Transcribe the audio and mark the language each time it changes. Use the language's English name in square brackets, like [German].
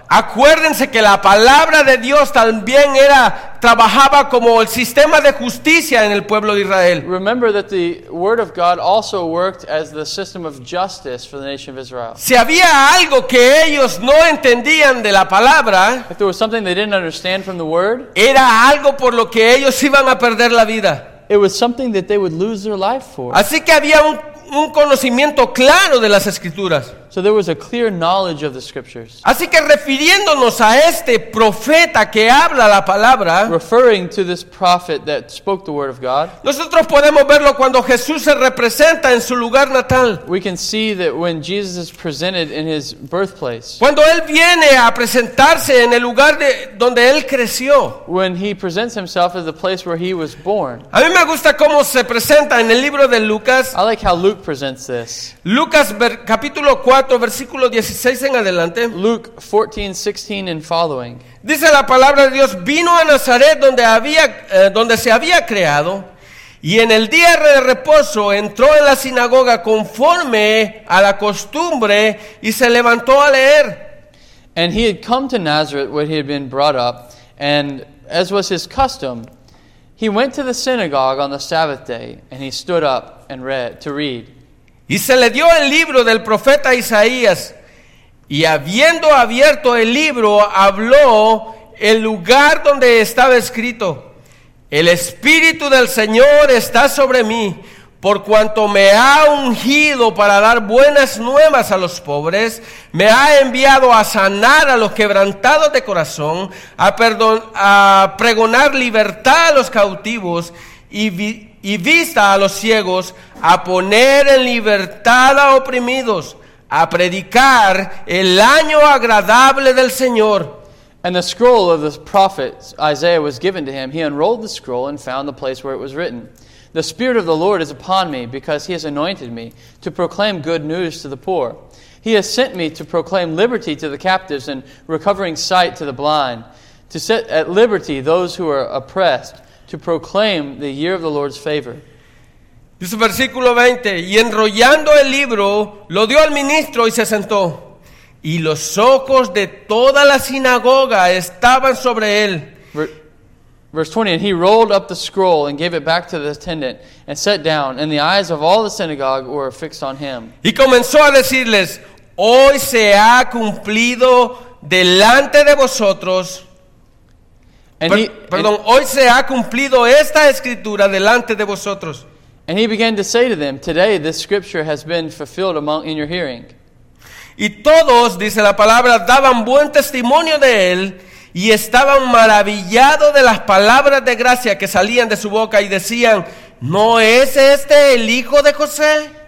[Spanish] Acuérdense que la palabra de Dios también era trabajaba como el sistema de justicia en el pueblo de Israel. [English] Remember that the word of God also worked as the system of justice for the nation of Israel. [Spanish] Si había algo que ellos no entendían de la palabra, [English] if there was something they didn't understand from the word, [Spanish] era algo por lo que ellos iban a perder la vida. [English] It was something that they would lose their life for. [Spanish] Así que había un conocimiento claro de las escrituras. [English] So there was a clear knowledge of the scriptures. [Spanish] Así que refiriéndonos a este profeta que habla la palabra, [English] referring to this prophet that spoke the word of God, [Spanish] nosotros podemos verlo cuando Jesús se representa en su lugar natal. [English] We can see that when Jesus is presented in his birthplace. [Spanish] Cuando él viene a presentarse en el lugar de donde él creció. [English] When he presents himself as the place where he was born. [Spanish] A mí me gusta cómo se presenta en el libro de Lucas. [English] I like how Luke presents this. [Spanish] Lucas capítulo 4, versículo 16 en adelante. [English] Luke 14:16 and following. [Spanish] Dice la palabra de Dios: vino a Nazaret donde se había creado, y en el día de reposo entró en la sinagoga conforme a la costumbre y se levantó a leer. [English] And he had come to Nazareth where he had been brought up, and as was his custom, he went to the synagogue on the Sabbath day, and he stood up and read. [Spanish] Y se le dio el libro del profeta Isaías, y habiendo abierto el libro, habló el lugar donde estaba escrito: el Espíritu del Señor está sobre mí, por cuanto me ha ungido para dar buenas nuevas a los pobres, me ha enviado a sanar a los quebrantados de corazón, a pregonar libertad a los cautivos, y vista a los ciegos, a poner en libertad a oprimidos, a predicar el año agradable del Señor. [English] And the scroll of the prophet Isaiah was given to him. He unrolled the scroll and found the place where it was written: The Spirit of the Lord is upon me because he has anointed me to proclaim good news to the poor. He has sent me to proclaim liberty to the captives and recovering sight to the blind, to set at liberty those who are oppressed, to proclaim the year of the Lord's favor. [Spanish] Dice versículo 20, y enrollando el libro, lo dio al ministro y se sentó. Y los ojos de toda la sinagoga estaban sobre él. [English] Verse 20, and he rolled up the scroll and gave it back to the attendant and sat down, and the eyes of all the synagogue were fixed on him. [Spanish] Y comenzó a decirles, hoy se ha cumplido delante de vosotros. Hoy se ha cumplido esta escritura delante de vosotros. [English] And he began to say to them, today this scripture has been fulfilled among in your hearing. [Spanish] Y todos, dice la palabra, daban buen testimonio de él y estaban maravillados de las palabras de gracia que salían de su boca y decían, ¿no es este el hijo de José?